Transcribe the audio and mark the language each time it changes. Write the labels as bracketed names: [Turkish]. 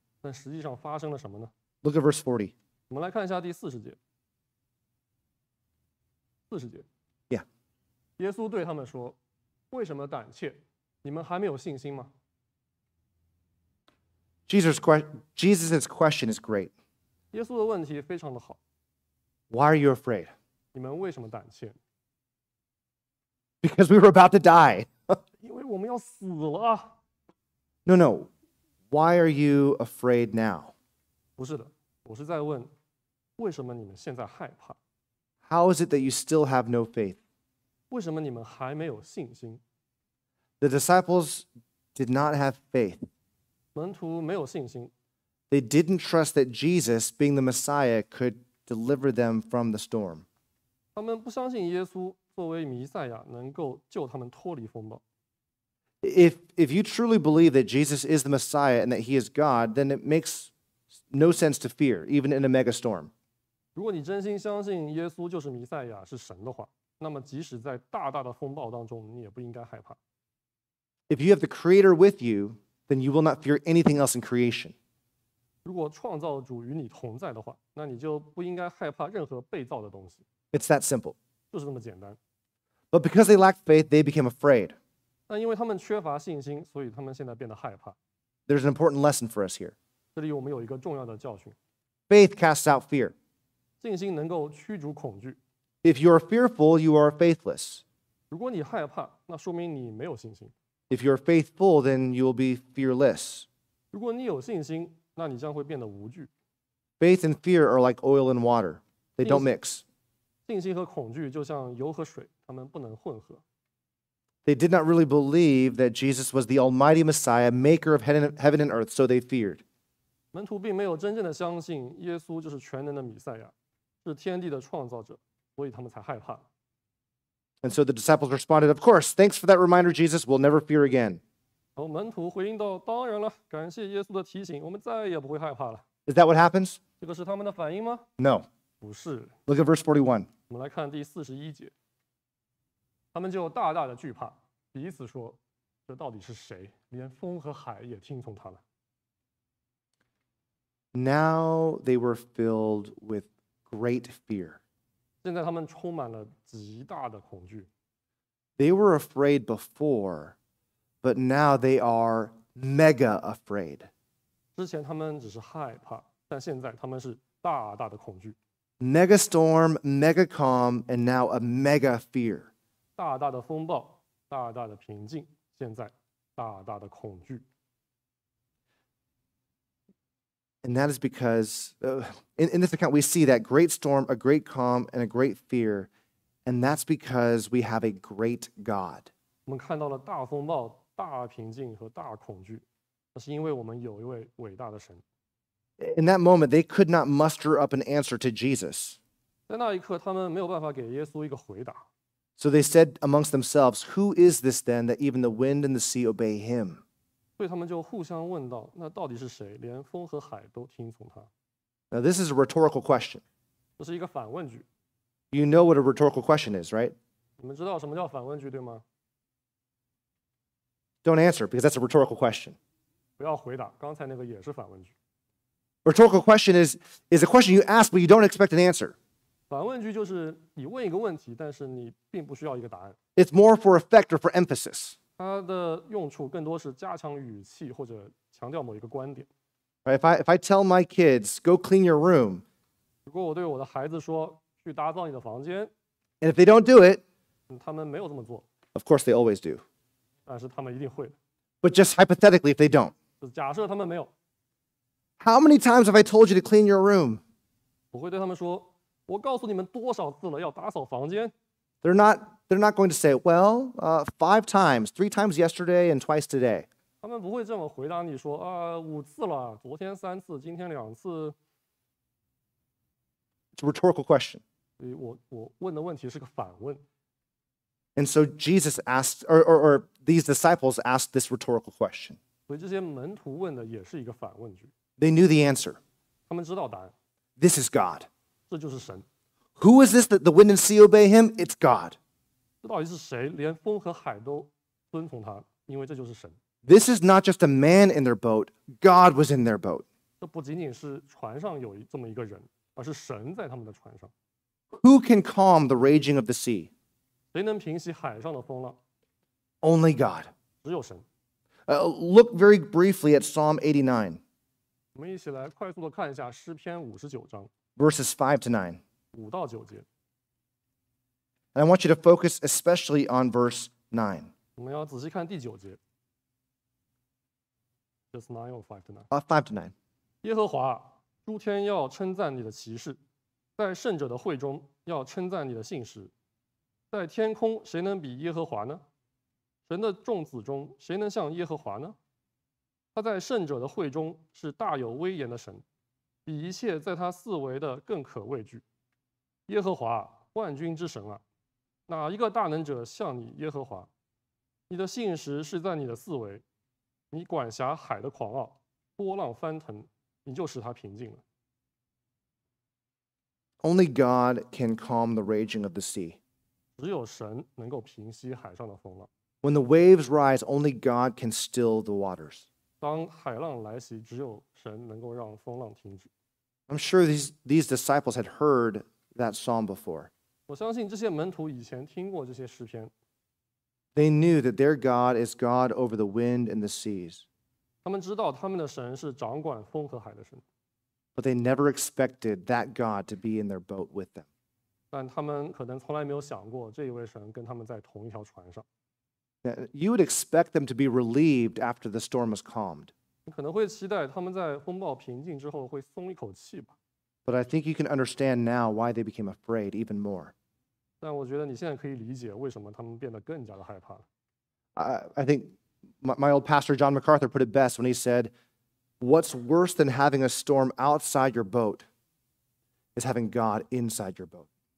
[Chinese] 但实际上发生了什么呢？ [English] Look at verse 40. [Chinese] 我们来看一下第四十节。四十节。耶稣对他们说，为什么胆怯？你们还没有信心吗？ [English] Jesus's question is great. [Chinese] 耶稣的问题非常的好。 [English] Why are you afraid? [Chinese] 你们为什么胆怯？ [English] Because we were about to die. [Chinese] 因为我们要死了。 [English] No. Why are you afraid now? [Chinese] 不是的，我是在问，为什么你们现在害怕？ [English] How is it that you still have no faith? [Chinese] 为什么你们还没有信心？ [English] The disciples did not have faith. [Chinese] 门徒没有信心。 [English] They didn't trust that Jesus, being the Messiah, could deliver them from the storm. [Chinese] 他们不相信耶稣作为弥赛亚能够救他们脱离风暴。 [English] If you truly believe that Jesus is the Messiah and that he is God, then it makes no sense to fear, even in a mega storm. [Chinese] 如果你真心相信耶稣就是弥赛亚，是神的话，那么即使在大大的风暴当中，你也不应该害怕。 [English] If you have the Creator with you, then you will not fear anything else in creation. [Chinese] 如果创造主与你同在的话，那你就不应该害怕任何被造的东西。 [English] It's that simple. [Chinese] 就是这么简单。 [English] But because they lacked faith, they became afraid. [Chinese] 但因为他们缺乏信心，所以他们现在变得害怕。 [English] There's an important lesson for us here. [Chinese] 这里我们有一个重要的教训。 [English] Faith casts out fear. [Chinese] 信心能够驱逐恐惧。 [English] If you are fearful, you are faithless. [Chinese] 如果你害怕，那说明你没有信心。 [English] If you are faithful, then you will be fearless. [Chinese] 如果你有信心，那你将会变得无惧。 [English] Faith and fear are like oil and water. They don't mix. [Chinese] 信心和恐惧就像油和水，它们不能混合。 [English] They did not really believe that Jesus was the Almighty Messiah, maker of heaven and earth, so they feared. [Chinese] 门徒并没有真正的相信耶稣就是全能的弥赛亚，是天地的创造者，所以他们才害怕。 [English] And so the disciples responded, "Of course, thanks for that reminder, Jesus. We'll never fear again." [Chinese] 门徒回应道，当然了，感谢耶稣的提醒，我们再也不会害怕了。 [English] Is that what happens? [Chinese] 这个是他们的反应吗？ [English] No. [Chinese] 不是。 [English] Look at verse 41. [Chinese] 我们来看第41节。他们就大大的惧怕，彼此说，这到底是谁？连风和海也听从他了。 [English] Now they were filled with great fear. [Chinese] 现在他们充满了极大的恐惧。 [English] They were afraid before, but now they are mega afraid. [Chinese] 之前他们只是害怕，但现在他们是大大的恐惧。 [English] Mega storm, mega calm, and now a mega fear. [Chinese] 大大的风暴，大大的平静，现在大大的恐惧。 [English] And that is because, in this account, we see that great storm, a great calm, and a great fear. And that's because we have a great God. [Chinese] 我们看到了大风暴、大平静和大恐惧，那是因为我们有一位伟大的神。 [English] In that moment, they could not muster up an answer to Jesus. [Chinese] 在那一刻，他们没有办法给耶稣一个回答。 [English] So they said amongst themselves, "Who is this then that even the wind and the sea obey him?" [Chinese] 所以他们就互相问道，那到底是谁，连风和海都听从他。 [English] Now this is a rhetorical question. [Chinese] 这是一个反问句。 [English] You know what a rhetorical question is, right? [Chinese] 你们知道什么叫反问句，对吗？ [English] Don't answer, because that's a rhetorical question. [Chinese] 不要回答，刚才那个也是反问句。 [English] Rhetorical question is a question you ask, but you don't expect an answer. [Chinese] 反问句就是你问一个问题，但是你并不需要一个答案。 [English] It's more for effect or for emphasis. [Chinese] 它的用处更多是加强语气或者强调某一个观点。 [English] If I tell my kids, go clean your room, [Chinese] 如果我对我的孩子说，去打扫你的房间， [English] and if they don't do it, [Chinese] 他们没有这么做。 [English] Of course they always do. [Chinese] 但是他们一定会。 [English] But just hypothetically, if they don't, [Chinese] 假设他们没有。 [English] How many times have I told you to clean your room? [Chinese] 我会对他们说，我告诉你们多少次了，要打扫房间。 [English] They're not going to say, well, five times, three times yesterday and twice today. [Chinese] 他们不会这么回答你说，五次了，昨天三次，今天两次。 [English] It's a rhetorical question. [Chinese] 我问的问题是个反问。 [English] And so Jesus asked, or these disciples asked this rhetorical question. [Chinese] 所以这些门徒问的也是一个反问句。 [English] They knew the answer. [Chinese] 他们知道答案。 [English] This is God. [Chinese] 这就是神。 [English] Who is this that the wind and sea obey him? It's God. [Chinese] 这到底是谁？连风和海都遵从他，因为这就是神。 [English] This is not just a man in their boat. God was in their boat. [Chinese] 这不仅仅是船上有这么一个人，而是神在他们的船上。 [English] Who can calm the raging of the sea? [Chinese] 谁能平息海上的风浪？ [English] Only God. [Chinese] 只有神。 [English] Look very briefly at Psalm 89. [Chinese] 我们一起来快速的看一下诗篇五十九章。 [English] Verses 5 to 9. [Chinese] 五到九节。 [English] And I want you to focus especially on verse 9. [Chinese] 我们要仔细看第九节。 [English] Just 9 or 5 to 9? 5 to 9. [Chinese] 耶和华，诸天要称赞你的奇事，在圣者的会中要称赞你的信实。在天空谁能比耶和华呢？神的众子中谁能像耶和华呢？他在圣者的会中是大有威严的神，比一切在他四围的更可畏惧。耶和华，万军之神啊，哪一个大能者像你耶和华？你的信实是在你的四维，你管辖海的狂傲，波浪翻腾，你就使它平静了。 [English] Only God can calm the raging of the sea. [Chinese] 只有神能够平息海上的风浪。 [English] When the waves rise, only God can still the waters. [Chinese] 当海浪来袭，只有神能够让风浪停止。 [English] I'm sure these disciples had heard that psalm before. [Chinese] 我相信这些门徒以前听过这些诗篇。 [English] They knew that their God is God over the wind and the seas. [Chinese] 他们知道他们的神是掌管风和海的神。 [English] But they never expected that God to be in their boat with them. [Chinese] 但他们可能从来没有想过这一位神跟他们在同一条船上。 [English] Now, you would expect them to be relieved after the storm was calmed. [Chinese] 可能会期待他们在风暴平静之后会松一口气吧。 [English] But I think you can understand now why they became afraid even more. [Chinese] 但我觉得你现在可以理解为什么他们变得更加的害怕了。 [English] I think my old pastor John MacArthur put it best when he said,What's worse than having a storm outside your boat is having God inside your boat.